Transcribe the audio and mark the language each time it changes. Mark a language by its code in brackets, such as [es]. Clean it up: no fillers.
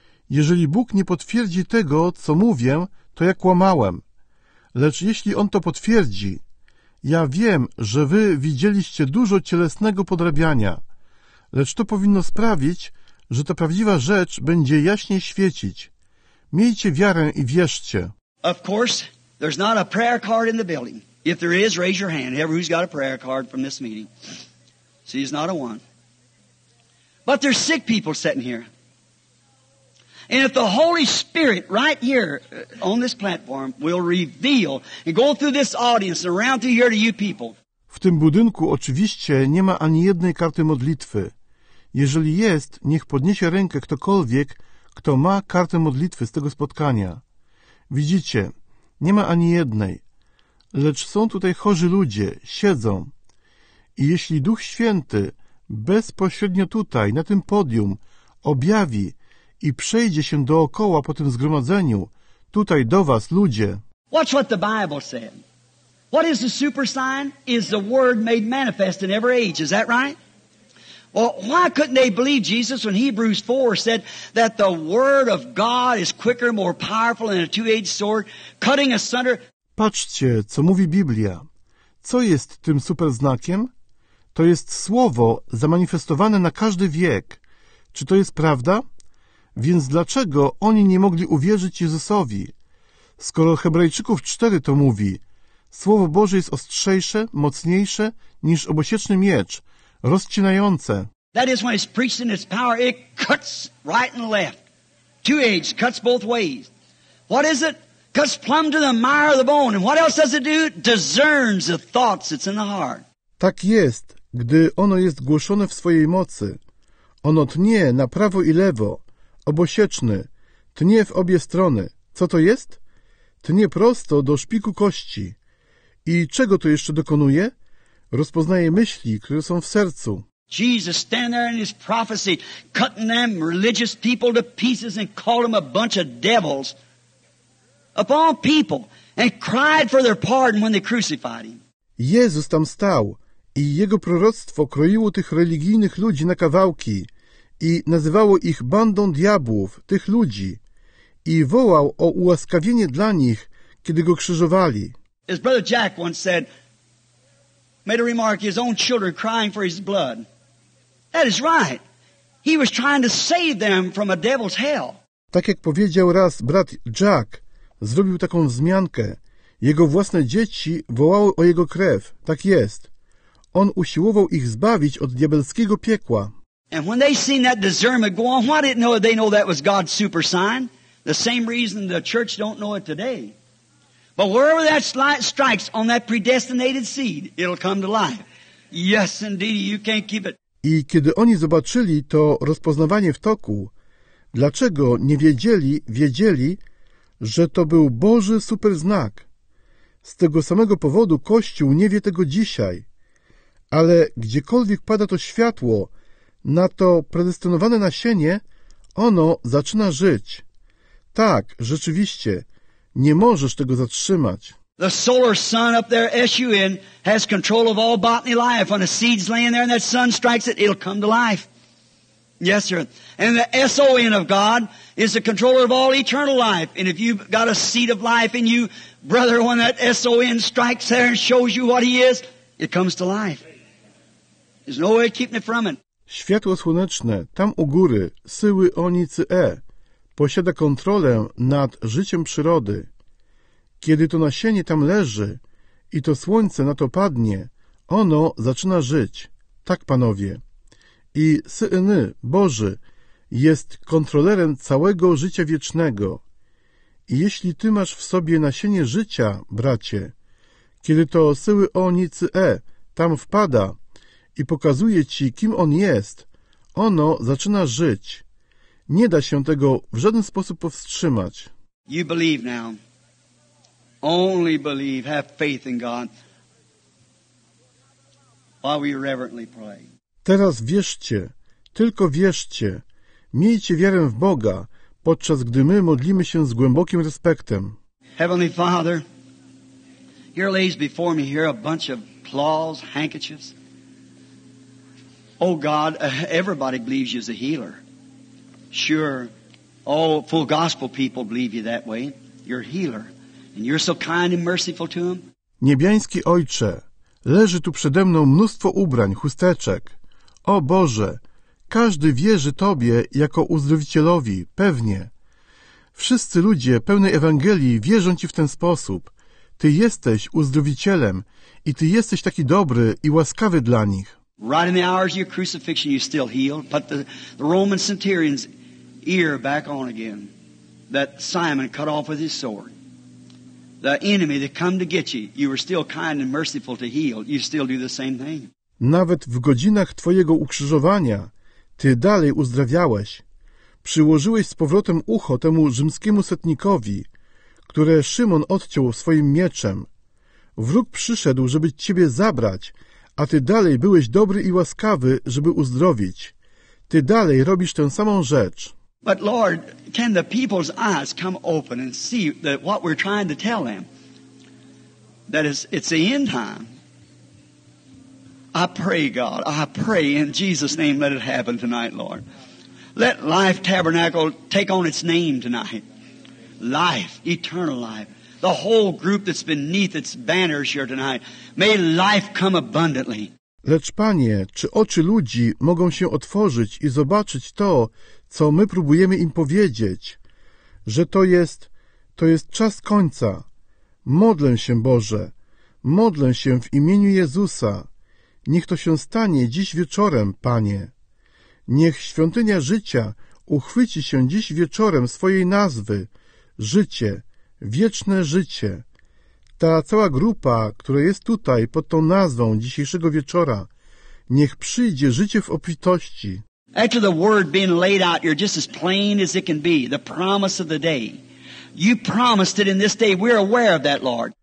[pl] Jeżeli Bóg nie potwierdzi tego, co mówię, to ja kłamałem. Lecz jeśli On to potwierdzi, ja wiem, że wy widzieliście dużo cielesnego podrabiania, lecz to powinno sprawić, że ta prawdziwa rzecz będzie jaśniej świecić. Miejcie wiarę i wierzcie. [en] Of course, there's not a prayer card in the building. If there is, raise your hand. Everybody's got a prayer card from this meeting. See, it's not a one. But there's sick people sitting here. And if the Holy Spirit right here on this platform will reveal and go through this audience and around through here to you people. [pl] W tym budynku oczywiście nie ma ani jednej karty modlitwy. Jeżeli jest, niech podniesie rękę ktokolwiek, kto ma kartę modlitwy z tego spotkania. Widzicie, nie ma ani jednej. Lecz są tutaj chorzy ludzie, siedzą. I jeśli Duch Święty bezpośrednio tutaj, na tym podium, objawi i przejdzie się dookoła po tym zgromadzeniu, tutaj do was, ludzie. [en] Watch what the Bible said. What is the super sign? Is the word made manifest in every age. Is that right? Well, why couldn't they believe Jesus when Hebrews 4 said that the word of God is quicker, more powerful than a two-edged sword, cutting asunder? [pl] Patrzcie, co mówi Biblia. Co jest tym super znakiem? To jest słowo zamanifestowane na każdy wiek. Czy to jest prawda? Więc dlaczego oni nie mogli uwierzyć Jezusowi? Skoro Hebrajczyków 4 to mówi, słowo Boże jest ostrzejsze, mocniejsze niż obosieczny miecz, rozcinające. [en] That is when it's preached in its power, it cuts right and left. Two-edged, cuts both ways. What is it? Cuts plumb to the mire of the bone. And what else does it do? Discerns the thoughts that's in the heart. [pl] Tak jest, gdy ono jest głoszone w swojej mocy. Ono tnie na prawo i lewo, obosieczny, tnie w obie strony. Co to jest? Tnie prosto do szpiku kości. I czego to jeszcze dokonuje? Rozpoznaje myśli, które są w sercu. [en] Jesus stand there in his prophecy, cutting them religious people to pieces and called them a bunch of devils upon people and cried for their pardon when they crucified him. [pl] Jezus tam stał i jego proroctwo kroiło tych religijnych ludzi na kawałki i nazywało ich bandą diabłów, tych ludzi, i wołał o ułaskawienie dla nich, kiedy go krzyżowali. [en] His brother Jack once said, made a remark, his own children crying for his blood. That is right. He was trying to save them from a devil's hell. [pl] Tak jak powiedział raz brat Jack, zrobił taką wzmiankę. Jego własne dzieci wołały o jego krew. Tak jest. On usiłował ich zbawić od diabelskiego piekła. [en] And when they seen that discernment go on, why didn't they know that was God's super sign? The same reason the church don't know it today. But wherever that light strikes on that predestinated seed, it'll come to life. Yes, indeed, you can't keep it. [pl] I kiedy oni zobaczyli to rozpoznawanie w toku, dlaczego nie wiedzieli, wiedzieli, że to był Boży super znak. Z tego samego powodu Kościół nie wie tego dzisiaj. Ale gdziekolwiek pada to światło na to predestynowane nasienie, ono zaczyna żyć. Tak, rzeczywiście. Nie możesz tego zatrzymać. [en] The solar sun up there, S-U-N, has control of all botany life. When a seed's laying there and that sun strikes it, it'll come to life. Yes, sir. And the S-O-N of God is the controller of all eternal life. And if you've got a seed of life in you, brother, when that S-O-N strikes there and shows you what he is, it comes to life. There's no way of keeping it from it. [pl] Światło słoneczne, tam u góry, syły onicy E. Posiada kontrolę nad życiem przyrody. Kiedy to nasienie tam leży i to słońce na to padnie, ono zaczyna żyć. Tak, panowie. I syny Boży jest kontrolerem całego życia wiecznego. I jeśli ty masz w sobie nasienie życia, bracie, kiedy to osyły o nicy e tam wpada i pokazuje ci, kim on jest, ono zaczyna żyć. Nie da się tego w żaden sposób powstrzymać. [en] You believe now. Only believe, have faith in God. While we reverently pray. [pl] Teraz wierzcie, tylko wierzcie. Miejcie wiarę w Boga, podczas gdy my modlimy się z głębokim respektem. [en] Heavenly Father, here lays before me here a bunch of cloths, handkerchiefs. Oh God, everybody believes you as a healer. Sure, all full gospel people believe you that way. You're a healer. And you're so kind and merciful to them. [pl] Niebiański Ojcze, leży tu przede mną mnóstwo ubrań, chusteczek. O Boże, każdy wierzy Tobie jako uzdrowicielowi, pewnie. Wszyscy ludzie pełni Ewangelii wierzą Ci w ten sposób. Ty jesteś uzdrowicielem i Ty jesteś taki dobry i łaskawy dla nich. [en] Right in the hours of your crucifixion you still heal, put the Roman centurion's ear back on again, that Simon cut off with his sword. The enemy that come to get you, you were still kind and merciful to heal. You still do the same thing. [pl] Nawet w godzinach Twojego ukrzyżowania Ty dalej uzdrawiałeś. Przyłożyłeś z powrotem ucho temu rzymskiemu setnikowi, które Szymon odciął swoim mieczem. Wróg przyszedł, żeby Ciebie zabrać, a Ty dalej byłeś dobry i łaskawy, żeby uzdrowić. Ty dalej robisz tę samą rzecz. [en] But Lord, can the people's eyes come open and see that what we're trying to tell them, that it's the end time. I pray, God, I pray in Jesus' name, let it happen tonight, Lord. Let Life Tabernacle take on its name tonight. Life, eternal life. The whole group that's beneath its banners here tonight. May life come abundantly. [pl] Lecz, Panie, czy oczy ludzi mogą się otworzyć i zobaczyć to, co my próbujemy im powiedzieć, że to jest czas końca. Modlę się, Boże, modlę się w imieniu Jezusa. Niech to się stanie dziś wieczorem, Panie. Niech świątynia życia uchwyci się dziś wieczorem swojej nazwy, życie, wieczne życie. Ta cała grupa, która jest tutaj pod tą nazwą dzisiejszego wieczora, niech przyjdzie życie w obfitości. [en] After the word being laid out, you're just as plain as it can be, the promise of the day. You promised it in this day, we're aware of that, Lord.